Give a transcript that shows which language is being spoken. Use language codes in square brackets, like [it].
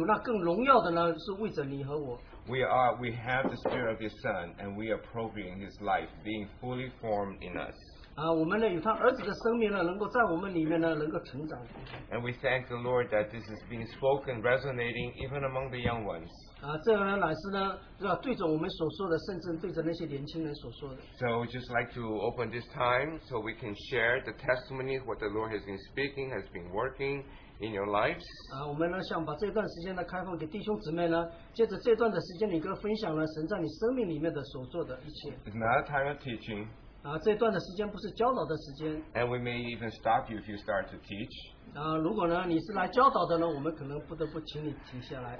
[zh] 但是呢，我们知道呢，有那更荣耀的呢，是为着你和我。 [en] We have the Spirit of His Son, and we are probing His life, being fully formed in us. [zh] 我们呢，有他儿子的生命呢，能够在我们里面呢，能够成长。 [en] And we thank the Lord that this is being spoken, resonating even among the young ones. [zh] 这个呢，乃是呢，对着我们所说的，甚至对着那些年轻人所说的。 [en] So we just like to open this time so we can share the testimony what the Lord has been speaking, has been working. In your lives. [zh] 我们呢想把这段时间呢开放给弟兄姊妹呢，借着这段的时间，你跟分享了神在你生命里面的所做的一切。 [en] It's not a time of teaching. [zh] 这段的时间不是教导的时间。 [en] And we may even stop you if you start to teach. [zh] 如果呢你是来教导的呢，我们可能不得不请你停下来。